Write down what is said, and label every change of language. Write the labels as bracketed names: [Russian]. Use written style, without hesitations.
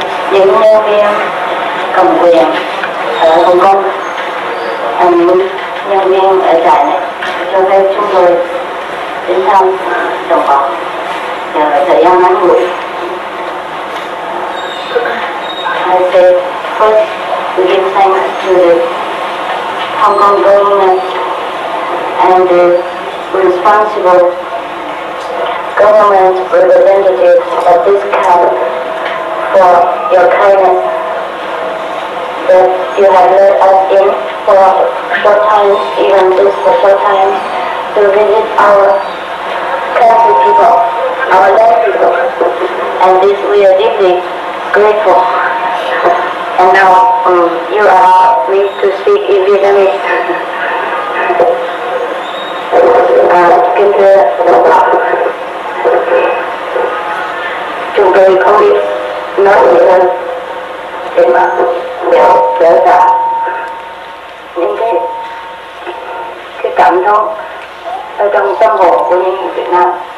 [Vietnamese] tiền mua cái cầm quyền ở Hồng Kông. Hàng nhân viên ở trại này cho phép chúng tôi đến thăm đồng bào nhờ thời gian ngắn ngủi. [English] I say first, we give thanks to the Hong Kong government and the responsible government representatives of this camp for your kindness that you have let us in for a short time, even just a short time, to visit our country people, our land people, and this we are deeply grateful. And now you are free to speak in Vietnamese. [Vietnamese] Kính thưa đồng bào, chúng tôi không biết nói gì hơn để mà hiểu rõ những cái cảm xúc ở trong tâm hồn của những người Việt Nam.